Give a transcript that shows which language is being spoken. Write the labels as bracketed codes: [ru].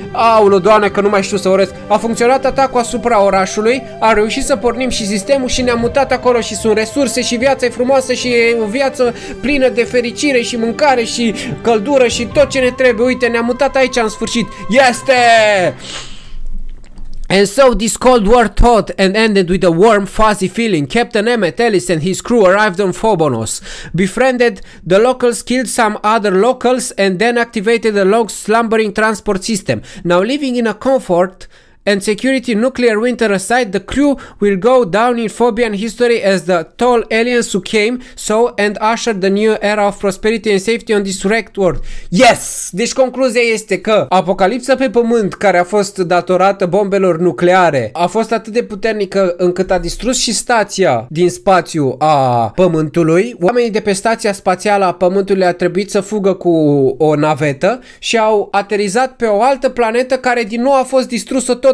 [ro] Aulă, doamne, că nu mai știu să urăsc. A funcționat atacul asupra orașului, a reușit să pornim și sistemul și ne-am mutat acolo și sunt resurse și viața e frumoasă și e o viață plină de fericire și mâncare și căldură și tot ce ne trebuie. Uite, ne-am mutat aici în sfârșit. Este! [en] And so this cold war thought and ended with a warm fuzzy feeling. Captain Emmett Ellis and his crew arrived on Phobonos, befriended the locals, killed some other locals and then activated a long slumbering transport system. Now living in a comfort and security nuclear winter aside, the crew will go down in Phobian history as the tall aliens who came so and ushered the new era of prosperity and safety on this wrecked world. Yes! [ro] Deci concluzia este că apocalipsa pe pământ, care a fost datorată bombelor nucleare, a fost atât de puternică încât a distrus și stația din spațiu a pământului. Oamenii de pe stația spațială a pământului a trebuit să fugă cu o navetă și au aterizat pe o altă planetă care din nou a fost distrusă tot